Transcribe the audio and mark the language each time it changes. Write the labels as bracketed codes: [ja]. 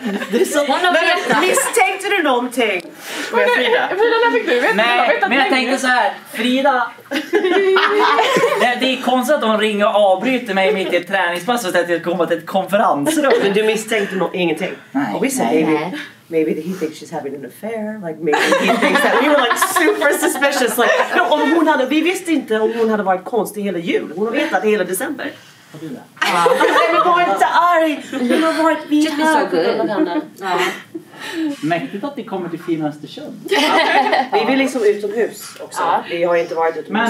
[sv] Det är så... Misstänkte du någonting? Men Frida, när fick du veta? Nej, men jag tänkte så här. Frida... Det är konstigt att hon ringer och avbryter mig mitt i ett träningspass och att jag kommer till ett konferensrum. Men du misstänkte ingenting? Nej. Vi säger det. [en] Maybe he thinks she's having an affair. Like maybe he thinks that. We were like super suspicious. Like no, [sv] om hon hade, vi visste inte om hon hade varit konstig hela jul. Hon har vetat hela december. Vad gör du då? Hon har varit så arg. Hon har varit mäktigt att ni kommer till fina Östersund. Vi vill liksom utomhus också. Vi har inte varit utomhus.